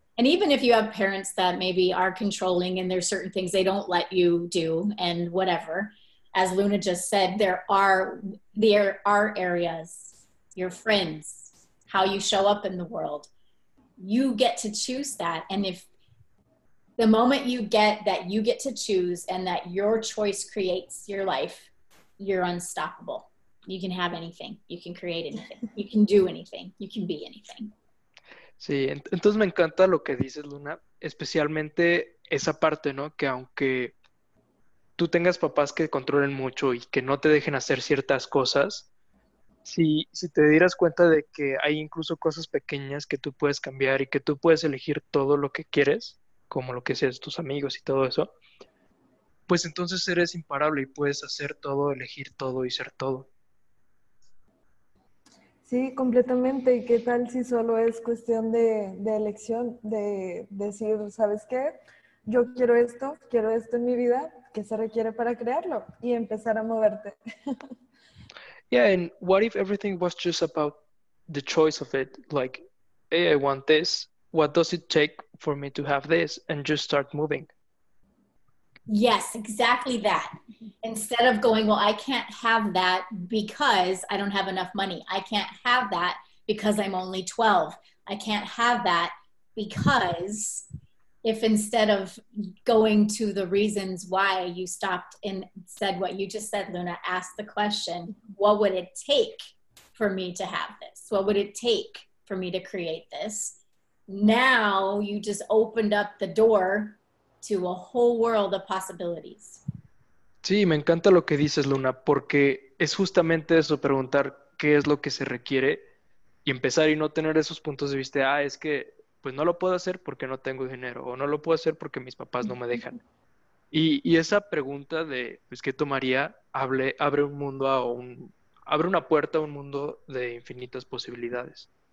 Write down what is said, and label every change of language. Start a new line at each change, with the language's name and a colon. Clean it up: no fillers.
English: And even if you have parents that maybe are controlling and there's certain things they don't let you do and whatever, as Luna just said, there are areas, your friends, how you show up in the world. You get to choose that. And if the moment you get that you get to choose and that your choice creates your life, you're unstoppable. You can have anything. You can create anything. You can do anything. You can be anything.
Spanish: Sí, entonces me encanta lo que dices, Luna, especialmente esa parte, ¿no? Que aunque tú tengas papás que controlen mucho y que no te dejen hacer ciertas cosas, si te dieras cuenta de que hay incluso cosas pequeñas que tú puedes cambiar y que tú puedes elegir todo lo que quieres, como lo que seas tus amigos y todo eso, pues entonces eres imparable y puedes hacer todo, elegir todo y ser todo. Sí, completamente. ¿Y qué tal si solo es cuestión de elección, de decir, ¿sabes qué? Yo quiero esto en mi vida, ¿qué se requiere para crearlo? Y empezar a moverte.
English: Yeah, and what if everything was just about the choice of it? Like, hey, I want this. What does it take for me to have this? And just start moving. Yes, exactly that. Instead of going, well, I can't have that because I don't have enough money. I can't have that because I'm only 12. I can't have that because if instead of going to the reasons why you stopped and said what you just said, Luna, ask the question, what would it take for me to have this? What would it take for me to create this? Now you just opened up the door to a whole world of possibilities.
Spanish: Sí, me encanta lo que dices, Luna, porque es justamente eso, preguntar qué es lo que se requiere y empezar y no tener esos puntos de vista, ah, es que pues no lo puedo hacer porque no tengo dinero o no lo puedo hacer porque mis papás no me dejan. Y esa pregunta de, pues, ¿qué tomaría? Abre un mundo abre una puerta a un mundo de infinitas posibilidades.